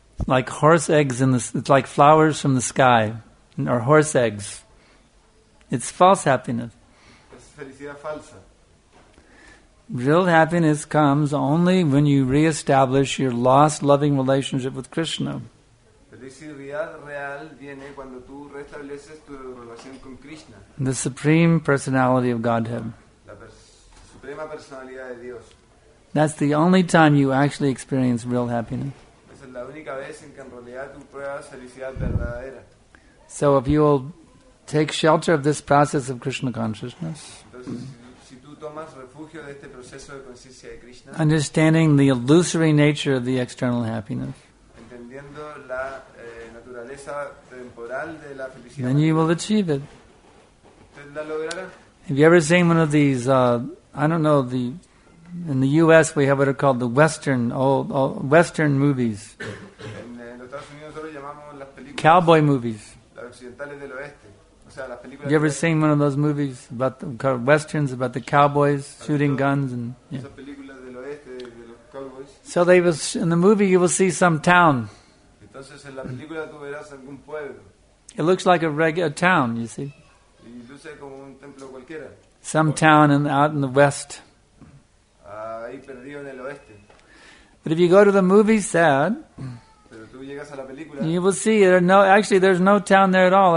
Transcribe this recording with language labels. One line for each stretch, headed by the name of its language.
English: Like horse eggs in the, it's like flowers from the sky, or horse eggs. It's false happiness.
Spanish: Es felicidad falsa.
English: Real happiness comes only when you reestablish your lost loving relationship with Krishna.
Spanish: Felicidad real viene cuando tú restableces tu relación con Krishna.
English: The Supreme Personality of Godhead.
Spanish: La suprema personalidad de Dios.
English: That's the only time you actually experience real happiness.
Spanish: Esa es la única vez en que en realidad tú pruebas felicidad verdadera.
English: So if you will take shelter of this process of Krishna consciousness.
Spanish: Entonces, si tú tomas refugio de este proceso de conciencia de Krishna,
English: understanding the illusory nature of the external happiness,
Spanish: entendiendo la naturaleza temporal de la felicidad,
English: then you will achieve it.
Spanish: ¿La logrará?
English: Have you ever seen one of these, I don't know, the in the U.S. we have what are called the Western, old Western movies.
Spanish: En los Estados Unidos nosotros llamamos las películas.
English: Cowboy movies.
Spanish: Las occidentales del oeste. O sea, las películas.
English: Have you ever seen one of those movies, about called Westerns, about the cowboys shooting guns? And,
Spanish: yeah. Esas películas del oeste, de los cowboys.
English: So they was, in the movie you will see some town.
Spanish: Entonces en la película tú verás algún pueblo.
English: It looks like a regular town, you see.
Spanish: Y luce como un templo cualquiera.
English: Some town in, out in the west.
Spanish: Ahí perdido en el oeste.
English: But if you go to the movie set,
Spanish: pero tú llegas a la película,
English: you will see there are no, actually there's no town there at all.